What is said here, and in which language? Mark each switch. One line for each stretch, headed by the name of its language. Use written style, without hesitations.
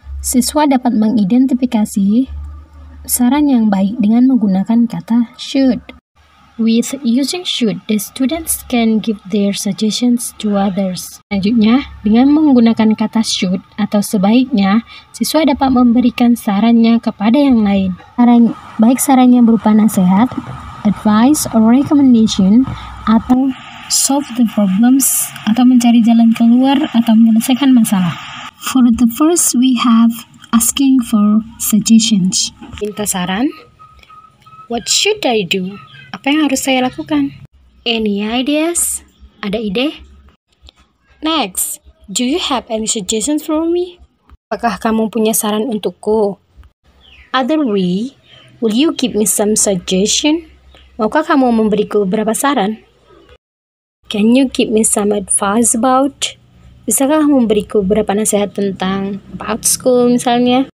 Indonesian: Siswa dapat mengidentifikasi saran yang baik dengan menggunakan kata should.
English: With using should, the students can give their suggestions to others.
Indonesian: Selanjutnya, dengan menggunakan kata should atau sebaiknya, siswa dapat memberikan sarannya kepada yang lain. Baik sarannya berupa nasihat,
English: advice or recommendation,
Indonesian: atau
English: solve the problems,
Indonesian: atau mencari jalan keluar, atau menyelesaikan masalah.
English: For the first, we have asking for suggestions.
Indonesian: Minta saran.
English: What should I do?
Indonesian: Apa yang harus saya lakukan?
English: Any ideas?
Indonesian: Ada ide?
English: Next, do you have any suggestions for me?
Indonesian: Apakah kamu punya saran untukku?
English: Other way, will you give me some suggestion?
Indonesian: Maukah kamu memberiku beberapa saran?
English: Can you give me some advice about?
Indonesian: Bisakah kamu memberiku beberapa nasihat tentang about school misalnya?